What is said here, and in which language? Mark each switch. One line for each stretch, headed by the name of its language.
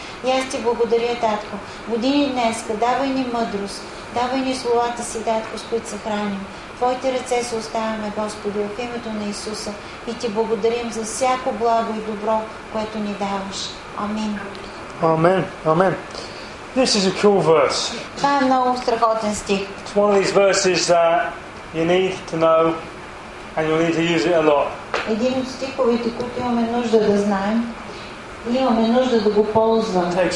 Bulgarian: И аз Ти благодаря, Татко. Години днес, давай ни мъдрост, давай ни словата си, Татко, с които се храним. Твоите ръце се оставяме, Господи, в името на Исуса и Ти благодарим за всяко благо и добро, което ни даваш. Амин.
English: Amen. Amen. This is a cool verse.
Bulgarian: Това е много страхотен стих.
English: It's one of these verses that you need to know and you'll need to use it a lot.
Bulgarian: Един от стиховете, които имаме нужда да знаем, имаме нужда да го ползвам.